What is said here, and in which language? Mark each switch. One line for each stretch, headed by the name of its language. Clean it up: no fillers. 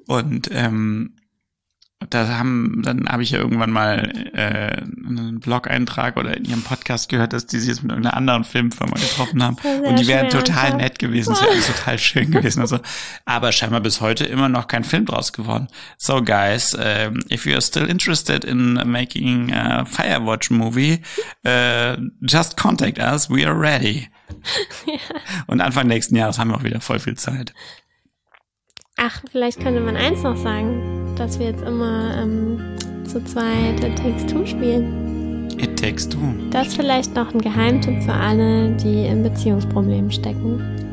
German: Und dann habe ich ja irgendwann mal einen Blog-Eintrag oder in ihrem Podcast gehört, dass die sich jetzt mit einer anderen Filmfirma getroffen haben. Und die wären total nett gewesen, wären total schön gewesen. Also, aber scheinbar bis heute immer noch kein Film draus geworden.
English: So guys, if you are still interested in making a Firewatch movie, just contact us, we are ready.
German: Ja. Und Anfang nächsten Jahres haben wir auch wieder voll viel Zeit. Ach, vielleicht könnte man eins noch sagen, dass wir jetzt immer zu zweit It Takes Two spielen. It Takes Two. Das vielleicht noch ein Geheimtipp für alle, die in Beziehungsproblemen stecken.